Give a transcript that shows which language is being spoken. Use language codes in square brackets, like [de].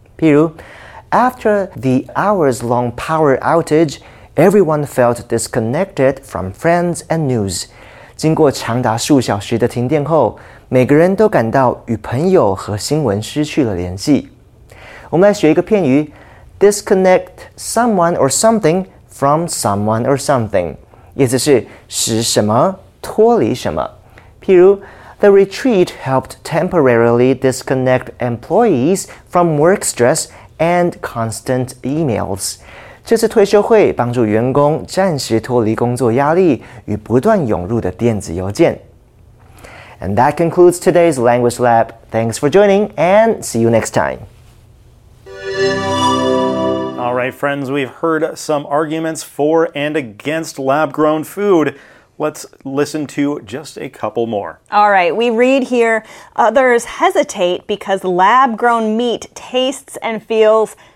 [en] 譬如 ，After the hours-long power outage, everyone felt disconnected from friends and news. [zh] 经过长达数小时的停电后，每个人都感到与朋友和新闻失去了联系。我们来学一个片语 ， [en] disconnect someone or something [zh] from someone or something， 意思是使什么脱离什么。 [en] 譬如 ，The retreat helped temporarily disconnect employees from work stress and constant emails。 [zh] 这次退休会帮助员工暂时脱离工作压力与不断涌入的电子邮件。 [en] And that concludes today's Language Lab. Thanks for joining and see you next time. All right, friends, we've heard some arguments for and against lab-grown food. Let's listen to just a couple more. All right, we read here, others hesitate because lab-grown meat tastes and feels...